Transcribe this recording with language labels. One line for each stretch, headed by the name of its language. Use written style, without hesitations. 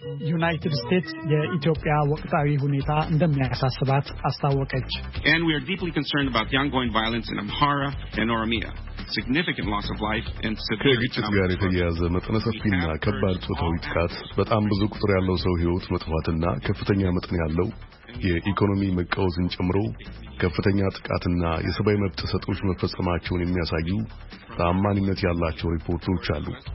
Amharic: ዩናይትድ ስቴትስ የኢትዮጵያ ወቅታዊ ሁኔታ እንደሚያሳስባት አስታወቀች።
English: And we are deeply concerned about the ongoing violence in Amhara and Oromia. Significant loss of life and
Amharic: ከግጭት ጋር የተያያዘ መጠነ ሰፊና ከባድ ጾታዊ ጥቃት፣ በጣም ብዙ ቁጥር ያለው ሰው ህይወት መጥፋትና ከፍተኛ መጠን ያለው የኢኮኖሚ መቃወስን ጨምሮ ከፍተኛ ጥቃትና የሰብአዊ መብት ጥሰቶች መፈጸማቸውን የሚያሳዩ ታማኝነት ያላቸው ሪፖርቶች አሉ።